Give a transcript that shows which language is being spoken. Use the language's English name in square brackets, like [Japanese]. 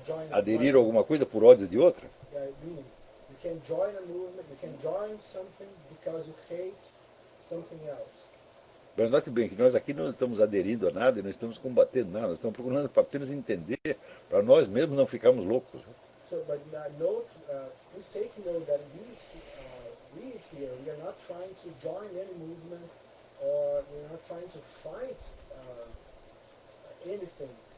[Portuguese] aderir a alguma coisa por ódio de outra? [English] Yeah, you can join a movement, you can join something because you hate something else. [Portuguese] Mas note bem que nós aqui não estamos aderindo a nada e não estamos combatendo nada, nós estamos procurando apenas entender para nós mesmos não ficarmos loucos. [English] So, but note, please take note that we here, we are not trying to join any movement or we are not trying to fight anything.